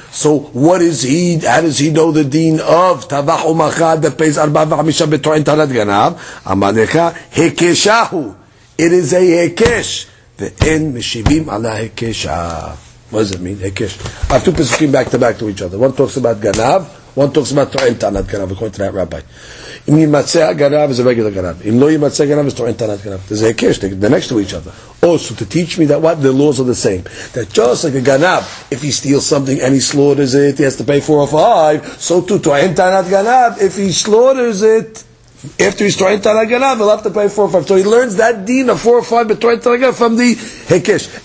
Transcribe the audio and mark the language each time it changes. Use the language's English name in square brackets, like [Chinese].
[English] So what is he? How does he know the deen of tavach umachad that pays arba vachamisha betorin tanat ganav? [Hebrew] Amadecha hekeshahu. [English] It is a hekesh. [Hebrew] ואין משיבים על ההקשה. [English] What does it mean? [Hebrew] הקש. [English] I've two pesukim back to back to each other. One talks about גנב, one talks about טוען טענת גנב, according to that rabbi. [Hebrew] אם ימצא הגנב, זה regular גנב. אם לא ימצא גנב, זה טוען טענת גנב. זה הקש, [English] they're next to each other. Also, to teach me that what? The laws are the same. That just like a גנב, if he steals something and he slaughters it, he has to pay four or five, so too, טוען טענת גנב, if he slaughters it, after he's trying to ganav, he'll have to pay four or five. So he learns that deen of four or five, but trying to ganav from the hekesh.